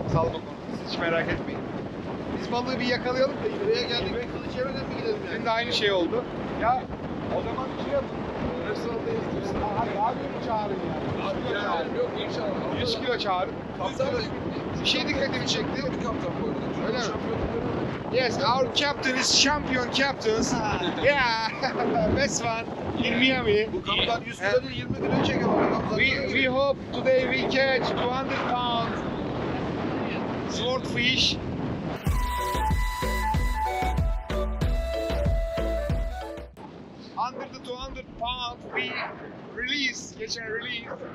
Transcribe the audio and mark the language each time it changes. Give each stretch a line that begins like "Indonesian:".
Turkish: Salma konusunda siz hiç merak etmeyin. Biz balığı bir yakalayalım da buraya geldik. Ben kılıç yemeden mi gidelim yani? Şimdi aynı şey oldu. Ya o zaman bir şey yapın. Nasıl oldayız? Abi mi çağırın ya? Abi ya. Yok inşallah. 100 kilo çağırın. Bir şey dikkatimi çekti. Bir kaptan koydum. Öyle mi?
English: Yes, our captain is champion captains. Yeah, best one in Miami.
Turkish: Bu kaptan 100 kilo değil, 20 kilo çekiyor.
English: We hope today we catch 200 pounds swordfish. Under the 200 pounds we release, catch and release.